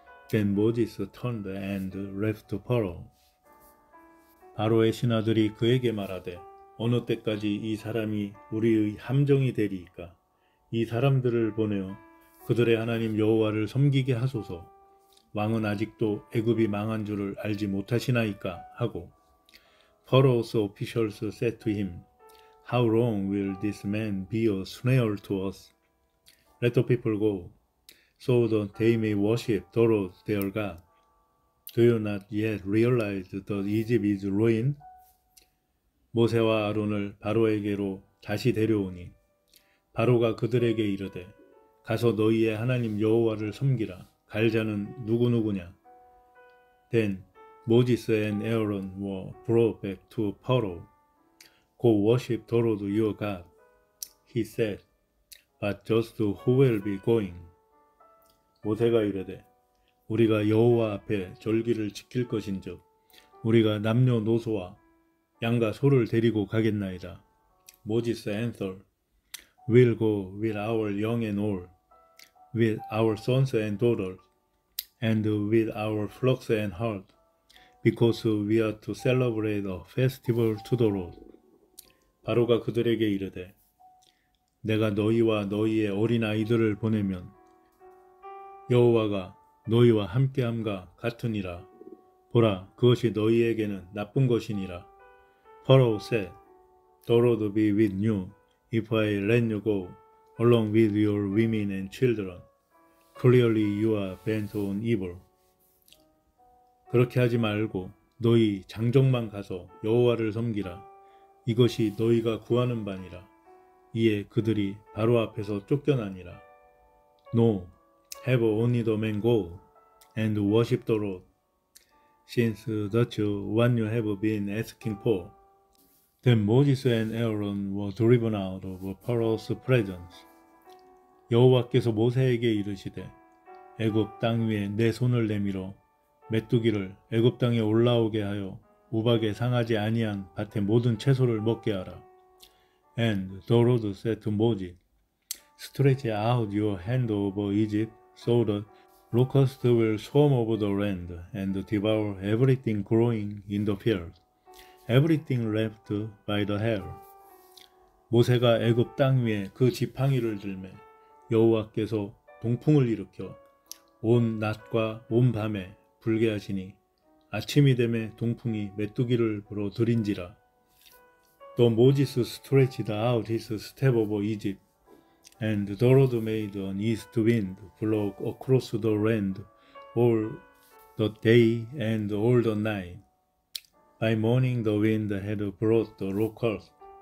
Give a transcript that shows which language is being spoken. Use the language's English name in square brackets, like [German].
[English] Then Moses turned and left Pharaoh. [Korean] 바로의 신하들이 그에게 말하되 어느 때까지 이 사람이 우리의 함정이 되리이까 이 사람들을 보내어 그들의 하나님 여호와를 섬기게 하소서 왕은 아직도 애굽이 망한 줄을 알지 못하시나이까 하고 [English] Pharaoh's officials said to him How long will this man be a snare to us? Let the people go so that they may worship the Lord their God. Do you not yet realize that Egypt is ruined? [Korean] 모세와 아론을 바로에게로 다시 데려오니 바로가 그들에게 이르되 가서 너희의 하나님 여호와를 섬기라. 갈자는 누구누구냐? [English] Then Moses and Aaron were brought back to Pharaoh. Go worship the Lord your God. He said, But just who will be going? [Korean] 모세가 이르되 우리가 여호와 앞에 절기를 지킬 것인즉 우리가 남녀노소와 양과 소를 데리고 가겠나이다. [English] Moses answered, We'll go with our young and old, with our sons and daughters, and with our flocks and herd, because we are to celebrate a festival to the Lord. [Korean] 바로가 그들에게 이르되 내가 너희와 너희의 어린아이들을 보내면 여호와가 너희와 함께함과 같으니라. 보라, 그것이 너희에게는 나쁜 것이니라. [English] Pharaoh said, The Lord be with you, if I let you go, along with your women and children. Clearly you are bent on evil. [Korean] 그렇게 하지 말고 너희 장정만 가서 여호와를 섬기라. 이것이 너희가 구하는 바니라. 이에 그들이 바로 앞에서 쫓겨나니라. [English] No, have only the men go and worship the Lord, since that's what you have been asking for. Then Moses and Aaron were driven out of Pharaoh's presence. [Korean] 여호와께서 모세에게 이르시되 애굽 땅 위에 내 손을 내밀어 메뚜기를 애굽 땅에 올라오게 하여 우박에 상하지 아니한 밭의 모든 채소를 먹게 하라. [English] And the Lord said to Moses, Stretch out your hand over Egypt so the locusts will swarm over the land and devour everything growing in the field, everything left by the hair. [Korean] 모세가 애굽 땅 위에 그 지팡이를 들매 여호와께서 동풍을 일으켜 온 낮과 온 밤에 불게 하시니 아침이 되매 동풍이 메뚜기를 불어 들인지라. [English] The Moses stretched out his staff over Egypt, and the Lord made an east wind blow across the land all the day and all the night. By morning the wind had brought the locusts.